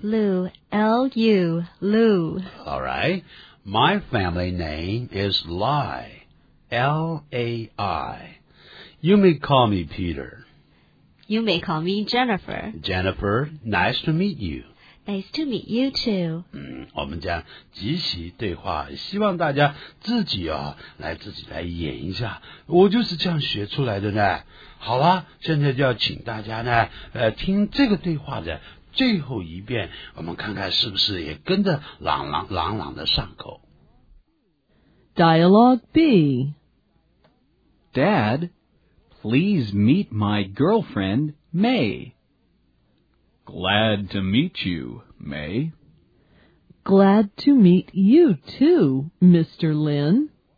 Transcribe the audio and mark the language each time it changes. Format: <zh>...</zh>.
<en>Lu, L-U, Lu. All right. My family name is Lai, L-A-I. You may call me Peter. You may call me Jennifer. Jennifer, nice to meet you. Nice to meet you, too.</en> <zh>我们将即席对话，希望大家自己啊，来自己来演一下。我就是这样学出来的呢。好了，现在就要请大家呢，听这个对话的最后一遍，我们看看是不是也跟着朗朗的上口。</zh> <en>Dialogue B. Dad,Please meet my girlfriend, May. Glad to meet you, May. Glad to meet you too, Mr. Lin.</en>